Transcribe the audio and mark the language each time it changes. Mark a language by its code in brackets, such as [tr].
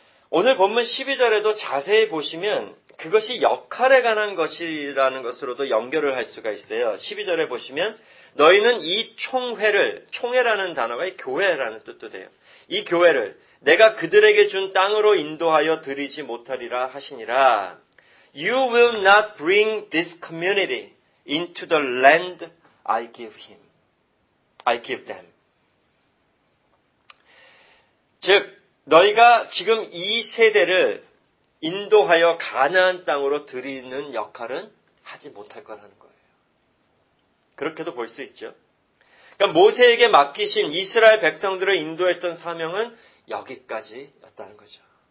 [ko] 오늘 본문 12절에도 자세히 보시면 그것이 역할에 관한 것이라는 것으로도 연결을 할 수가 있어요. 12절에 보시면 너희는 이 총회를, 총회라는 단어가 교회라는 뜻도 돼요. 이 교회를 내가 그들에게 준 땅으로 인도하여 드리지 못하리라 하시니라. [en] You will not bring this community into the land I give him. I give them. [ko] 즉, 너희가 지금 이 세대를 인도하여 가나안 땅으로 들이는 역할은 하지 못할 거라는 거예요. 그렇게도 볼 수 있죠. 그러니까 모세에게 맡기신 이스라엘 백성들을 인도했던 사명은 여기까지였다는 거죠.